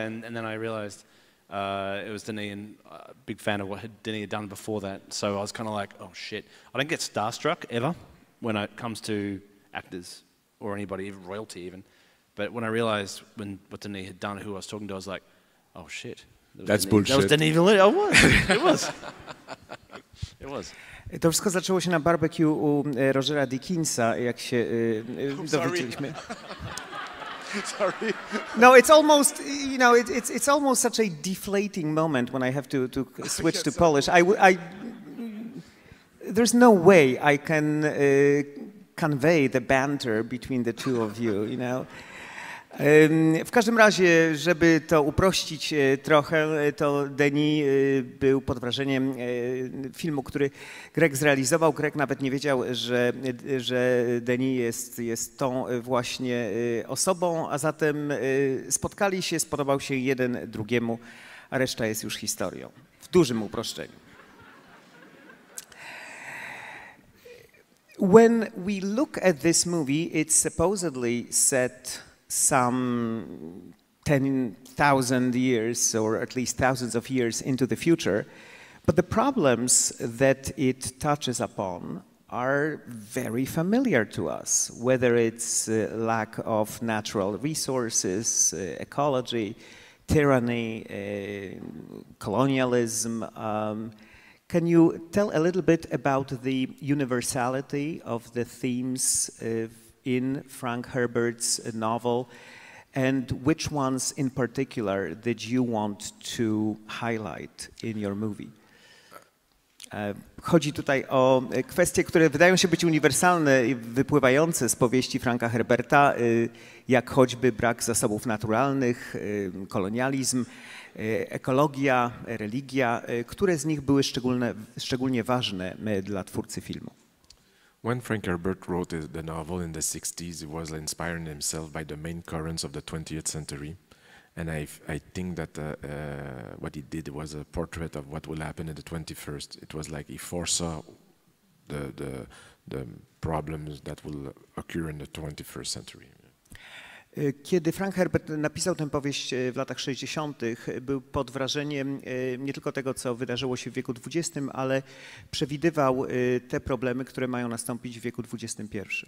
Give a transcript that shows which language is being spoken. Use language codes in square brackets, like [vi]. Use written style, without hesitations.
[en] And then I realized it was Denis, and a big fan of what Denis had done before that. So I was kind of like, oh, shit. I don't get starstruck ever when it comes to actors or anybody, even royalty even. But when I realized what Denis had done, who I was talking to, I was like, oh, shit. That's bullshit. That was Denis Villeneuve. It was. [pl] To wszystko zaczęło się na barbecue u Rogera Dickinsa, jak się dowiedzieliśmy. [en] Sorry. No, it's almost, you know, it's almost such a deflating moment when I have to switch to Polish. I there's no way I can convey the banter between the two of you, you know. [pl] W każdym razie, żeby to uprościć trochę, to Denis był pod wrażeniem filmu, który Greig zrealizował. Greig nawet nie wiedział, że Denis jest tą właśnie osobą, a zatem spotkali się, spodobał się jeden drugiemu, a reszta jest już historią. W dużym uproszczeniu. [en] When we look at this movie, it's supposedly set some 10,000 years, or at least thousands of years into the future. But the problems that it touches upon are very familiar to us, whether it's lack of natural resources, ecology, tyranny, colonialism. Can you tell a little bit about the universality of the themes in Frank Herbert's novel, and which ones in particular did you want to highlight in your movie? [pl] Chodzi tutaj o kwestie, które wydają się być uniwersalne i wypływające z powieści Franka Herberta, jak choćby brak zasobów naturalnych, kolonializm, ekologia, religia. Które z nich były szczególnie ważne dla twórcy filmu? [en] When Frank Herbert wrote the novel in the 60s, he was inspiring himself by the main currents of the 20th century. And I think that what he did was a portrait of what will happen in the 21st. It was like he foresaw the problems that will occur in the 21st century. [pl] Kiedy Frank Herbert napisał tę powieść w latach 60., był pod wrażeniem nie tylko tego, co wydarzyło się w wieku XX, ale przewidywał te problemy, które mają nastąpić w wieku XXI.